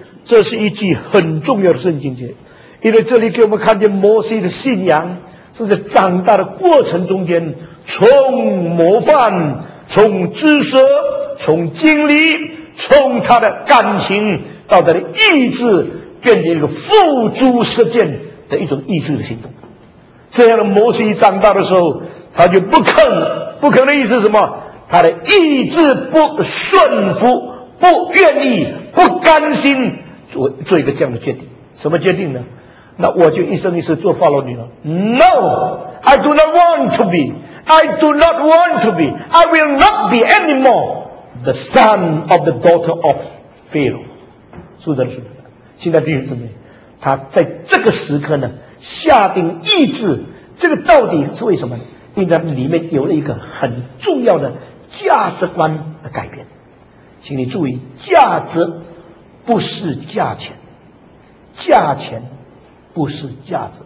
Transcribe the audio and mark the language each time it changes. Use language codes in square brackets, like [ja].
[zh] 这是一句很重要的圣经节，因为这里给我们看见摩西的信仰是在长大的过程中间，从模范、从知识、从经历、从他的感情到他的意志，变成一个付诸实践的一种意志的行动。这样的摩西长大的时候，他就不肯。不肯的意思是什么？他的意志不顺服，不愿意，不甘心 做一个这样的决定。什么决定呢？那我就一生一世做法老女儿。 [en] No, I do not want to be, I do not want to be, I will not be anymore the son of the daughter of Pharaoh. [zh] 是的，是的。现在弟兄姊妹，他在这个时刻呢下定意志，这个到底是为什么？因为里面有了一个很重要的价值观的改变。请你注意，价值不是价钱，价钱不是价值。